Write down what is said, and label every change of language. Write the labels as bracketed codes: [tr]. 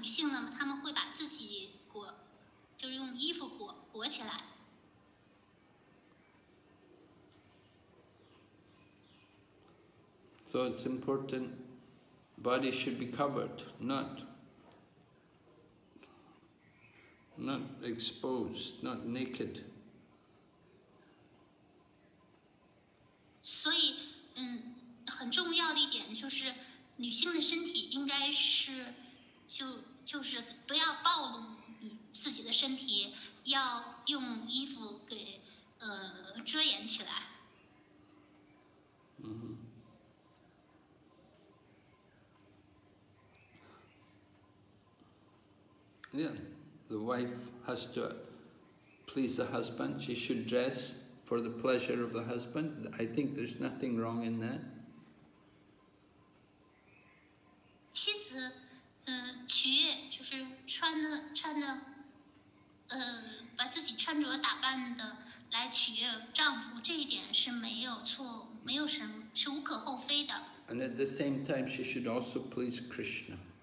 [zh] 如果您把自己打扮得很美来取悦Krishna，这是可以的。但是现在的人们是穿着很暴露、很性感来吸引丈夫，穿着迷你裙。但是在伟大文化当中，为了取悦Krishna，女性呢，她们会把自己裹。 [en] So it's important, body should be covered, not exposed, not naked. [zh] 所以，很重要的一点就是，女性的身体应该是，就是不要暴露。自己的身体要用衣服给遮掩起来。 Mm-hmm. [en] Yeah, the wife has to please the husband. She should dress for the pleasure of the husband. I think there's nothing wrong in that. [zh] 妻子取悦就是穿的。把自己穿着打扮的来取悦丈夫，这一点是没有错，没有什么，是无可厚非的。 [en] And at the same time, she should also please Krishna.